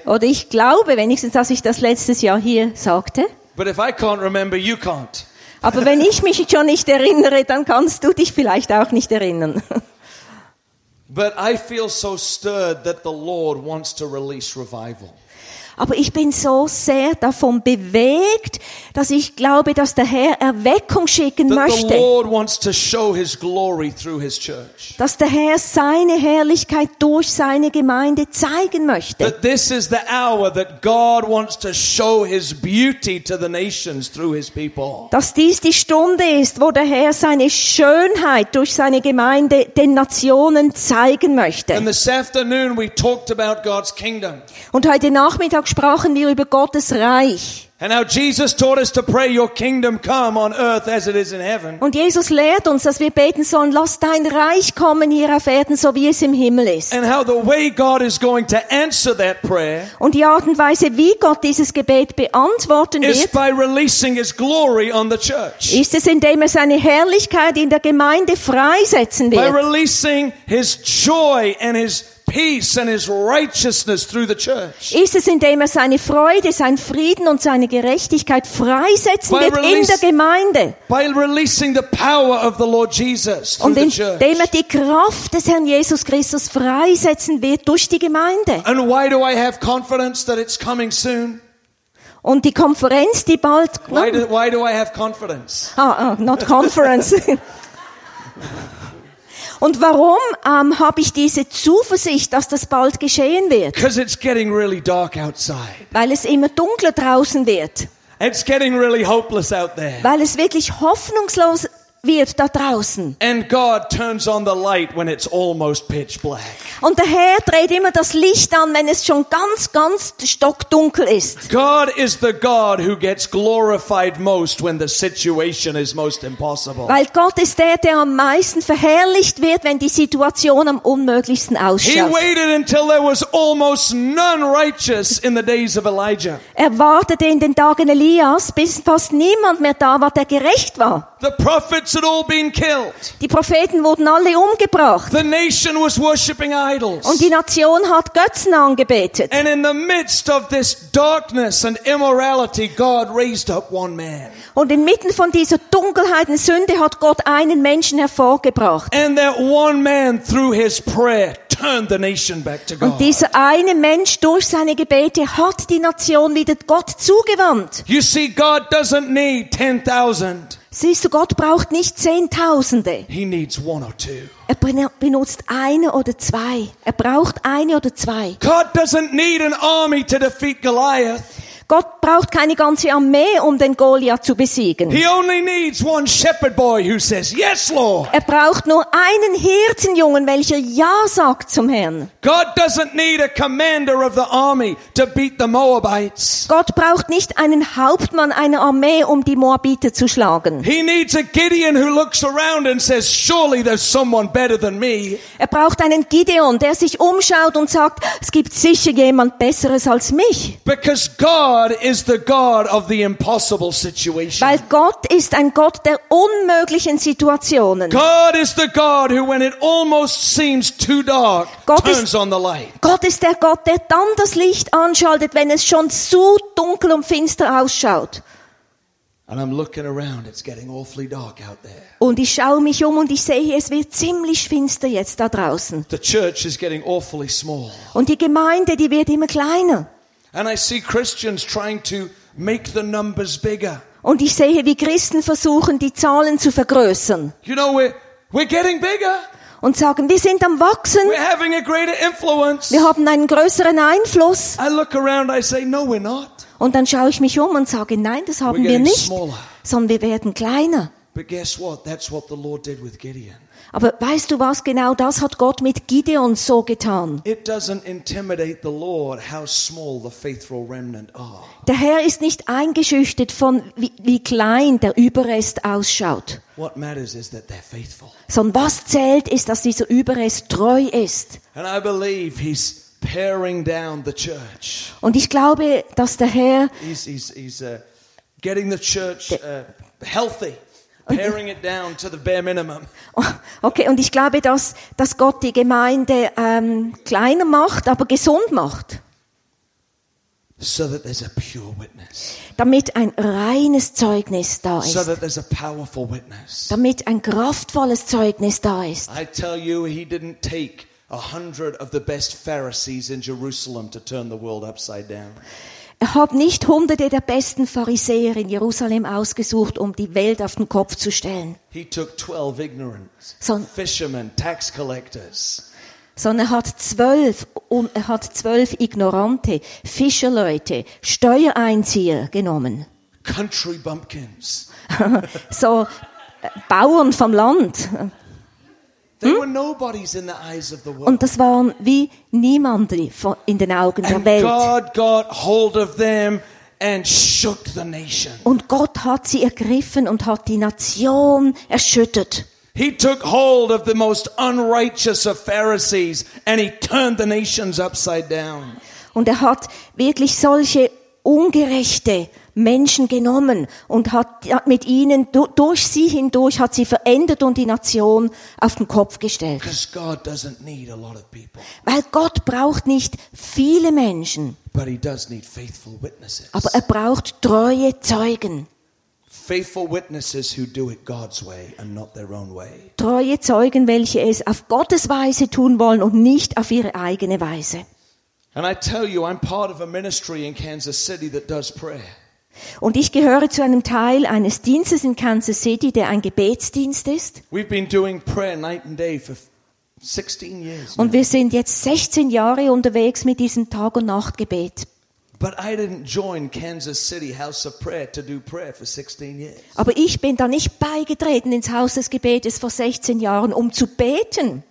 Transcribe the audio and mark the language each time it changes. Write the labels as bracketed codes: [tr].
[de] Oder ich glaube wenigstens, dass ich das letztes Jahr hier sagte. [en] But if I can't remember, you can't. [de] Aber wenn ich mich schon nicht erinnere, dann kannst du dich vielleicht auch nicht erinnern. [en] But I feel so stirred that the Lord wants to release revival. [de] Aber ich bin so sehr davon bewegt, dass ich glaube, dass der Herr Erweckung schicken möchte. [en] The Lord wants to show his glory through his church. [de] Dass der Herr seine Herrlichkeit durch seine Gemeinde zeigen möchte. [en] That this is the hour that God wants to show his beauty to the nations through his people. [de] Dass dies die Stunde ist, wo der Herr seine Schönheit durch seine Gemeinde den Nationen zeigen möchte. [en] And this afternoon we talked about God's kingdom. [de] Und heute Nachmittag sprachen wir über Gottes Reich. [en] And now Jesus taught us to pray, "Your kingdom come on earth as it is in heaven." [de] Und Jesus lehrt uns, dass wir beten sollen, lass dein Reich kommen hier auf Erden, so wie es im Himmel ist. [en] And how the way God is going to answer that prayer. [de] Und die Art und Weise, wie Gott dieses Gebet beantworten wird, [en] is by releasing His glory on the church. [de] Ist es, indem er seine Herrlichkeit in der Gemeinde freisetzen wird. [en] By releasing His joy and His peace and His righteousness through the church. [de] Ist es, indem er seine Freude, sein Frieden und seine Gerechtigkeit freisetzen wird in der Gemeinde. [en] By releasing the power of the Lord Jesus through the church. [de] Und indem er die Kraft des Herrn Jesus Christus freisetzen wird durch die Gemeinde. [en] And why do I have confidence that it's coming soon? [de] Und die Konferenz, die bald kommt. [en] Why do I have confidence? Not conference. [de] Und warum habe ich diese Zuversicht, dass das bald geschehen wird? [en] Because it's getting really dark outside. [de] Weil es immer dunkler draußen wird. [en] It's getting really hopeless out there. [de] Weil es wirklich hoffnungslos wird da draußen. [en] And God turns on the light when it's almost pitch black. [de] Und der Herr dreht immer das Licht an, wenn es schon ganz, ganz stockdunkel ist. [en] God is the God who gets glorified most when the situation is most impossible. [de] Weil Gott ist der, der am meisten verherrlicht wird, wenn die Situation am unmöglichsten ausschaut. [en] He waited until there was almost none righteous in the days of Elijah. [de] Er wartete in den Tagen Elias, bis fast niemand mehr da war, der gerecht war. [en] The prophets had all been killed. [de] Die Propheten wurden alle umgebracht. [en] The nation was worshiping idols. [de] Und die Nation hat Götzen angebetet. [en] And in the midst of this darkness and immorality, God raised up one man. [de] Und inmitten von dieser Dunkelheit und Sünde hat Gott einen Menschen hervorgebracht. [en] And that one man through his prayer turned the nation back to God. [de] Und dieser eine Mensch durch seine Gebete hat die Nation wieder Gott zugewandt. [en] You see, God doesn't need 10,000. [de] Siehst du, Gott braucht nicht Zehntausende. [en] He needs one or two. [de] Er benutzt eine oder zwei. Er braucht eine oder zwei. [en] God doesn't need an army to defeat Goliath. [de] Gott braucht keine ganze Armee, um den Goliath zu besiegen. [en] He only needs one shepherd boy who says, "Yes, Lord." [de] Er braucht nur einen Hirtenjungen, welcher Ja sagt zum Herrn. [en] God doesn't need a commander of the army to beat the Moabites. [de] Gott braucht nicht einen Hauptmann einer Armee, um die Moabiter zu schlagen. [en] He needs a Gideon who looks around and says, "Surely there's someone better than me." [de] Er braucht einen Gideon, der sich umschaut und sagt, es gibt sicher jemand Besseres als mich. [en] Because God is the God of the impossible situation. [de] Weil Gott ist ein Gott der unmöglichen Situationen. [en] God is the God who, when it almost seems too dark, turns on the light. [de] Gott ist der Gott, der dann das Licht anschaltet, wenn es schon so dunkel und finster ausschaut. [en] And I'm looking around, it's getting awfully dark out there. [de] Und ich schaue mich um und ich sehe, es wird ziemlich finster jetzt da draußen. [en] The church is getting awfully small. [de] Und die Gemeinde, die wird immer kleiner. [en] And I see Christians trying to make the numbers bigger. [de] Und ich sehe, wie Christen versuchen, die Zahlen zu vergrößern. [en] You know, we're getting bigger. [de] Und sagen, wir sind am Wachsen. [en] We're having a greater influence. [de] Wir haben einen größeren Einfluss. [en] I look around, I say, no, we're not. [de] Und dann schaue ich mich um und sage, nein, das haben [en] we're getting [de] wir nicht, [en] smaller. [de] Sondern wir werden kleiner. [en] But guess what? That's what the Lord did with Gideon. [de] Aber weißt du was, genau das hat Gott mit Gideon so getan. [en] It doesn't intimidate the Lord how small the faithful remnant are. [de] Der Herr ist nicht eingeschüchtert von wie klein der Überrest ausschaut. [en] What matters is that they're faithful. [de] Sondern was zählt ist, dass dieser Überrest treu ist. [en] And I believe he's paring down the church. [de] Und ich glaube, dass der Herr [en] he's getting the church healthy. paring it down to the bare minimum. [de] Okay, und ich glaube, dass Gott die Gemeinde kleiner macht, aber gesund macht. [en] So that there's a pure witness. [de] Damit ein reines Zeugnis da ist. [en] So that there's a powerful witness. [de] Damit ein kraftvolles Zeugnis da ist. [en] I tell you, he didn't take 100 of the best Pharisees in Jerusalem to turn the world upside down. [de] Er hat nicht hunderte der besten Pharisäer in Jerusalem ausgesucht, um die Welt auf den Kopf zu stellen. [en] He took 12 ignorant fishermen, tax collectors. [de] Er hat zwölf ignorante Fischerleute, Steuereinzieher genommen. [en] Country bumpkins. [de] So Bauern vom Land. [en] They were nobodies in the eyes of the world. [de] Und das waren wie niemand in den Augen der Welt. [en] And God got hold of them and shook the nation. [de] Und Gott hat sie ergriffen und hat die Nation erschüttert. [en] He took hold of the most unrighteous of Pharisees and he turned the nations upside down. [de] Und er hat wirklich solche ungerechte Menschen genommen und hat mit ihnen durch sie hindurch hat sie verändert und die Nation auf den Kopf gestellt. [en] Because God doesn't need a lot of people. [de] Weil Gott braucht nicht viele Menschen. [en] But he does need faithful witnesses. [de] Aber er braucht treue Zeugen. [en] Faithful witnesses who do it God's way and not their own way. [de] Treue Zeugen, welche es auf Gottes Weise tun wollen und nicht auf ihre eigene Weise. [en] And I tell you, I'm part of a ministry in Kansas City that does prayer. [de] Und ich gehöre zu einem Teil eines Dienstes in Kansas City, der ein Gebetsdienst ist. [en] We've been doing prayer night and day for 16 years. [de] Und wir sind jetzt 16 Jahre unterwegs mit diesem Tag- und Nachtgebet. [en] But I didn't join Kansas City House of Prayer to do prayer for 16 years. [de] Aber ich bin da nicht beigetreten ins Haus des Gebetes vor 16 Jahren, um zu beten.